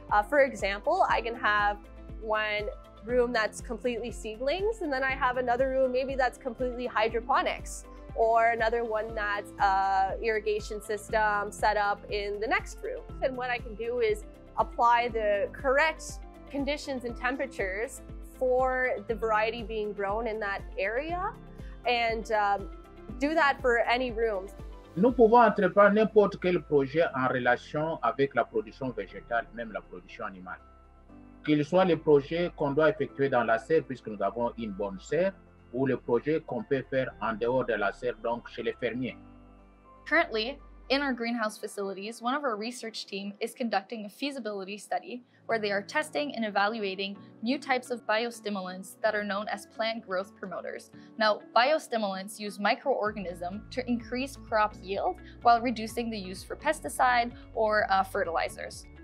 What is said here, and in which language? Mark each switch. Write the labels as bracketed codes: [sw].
[en] For example, I can have one room that's completely seedlings, and then I have another room maybe that's completely hydroponics, or another one that's a irrigation system set up in the next room. And what I can do is apply the correct conditions and temperatures for the variety being grown in that area, and do that for any rooms. [fr] Nous pouvons entreprendre n'importe quel projet en relation avec la production végétale, même la production animale. Qu'ils soient les projets qu'on doit effectuer dans la serre, puisque nous avons une bonne serre, ou les projets qu'on peut faire en dehors de la serre, donc chez les fermiers. [en] Currently, in our greenhouse facilities, one of our research team is conducting a feasibility study where they are testing and evaluating new types of biostimulants that are known as plant growth promoters. Now, biostimulants use microorganisms to increase crop yield while reducing the use for pesticide or fertilizers.